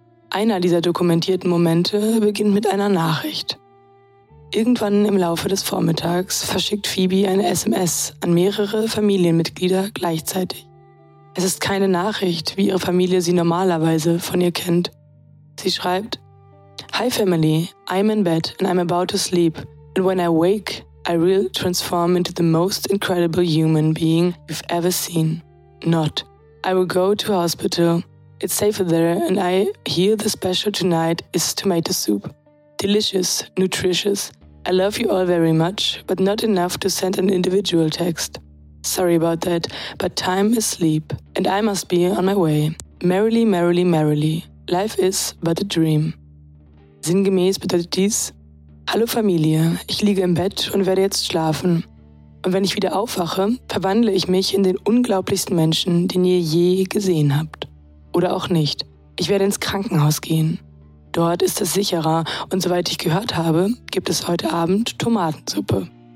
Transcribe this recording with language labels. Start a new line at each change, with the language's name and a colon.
German: Einer dieser dokumentierten Momente beginnt mit einer Nachricht. Irgendwann im Laufe des Vormittags verschickt Phoebe eine SMS an mehrere Familienmitglieder gleichzeitig. Es ist keine Nachricht, wie ihre Familie sie normalerweise von ihr kennt. Sie schreibt:
English: "Hi family, I'm in bed and I'm about to sleep. And when I wake, I will transform into the most incredible human being you've ever seen. Not. I will go to hospital. It's safer there and I hear the special tonight is tomato soup. Delicious, nutritious. I love you all very much, but not enough to send an individual text. Sorry about that, but time is sleep and I must be on my way. Merrily, merrily, merrily. Life is but a dream."
German: Sinngemäß bedeutet dies: "Hallo Familie, ich liege im Bett und werde jetzt schlafen. Und wenn ich wieder aufwache, verwandle ich mich in den unglaublichsten Menschen, den ihr je gesehen habt. Oder auch nicht. Ich werde ins Krankenhaus gehen. Dort ist es sicherer und soweit ich gehört habe, gibt es heute Abend Tomatensuppe.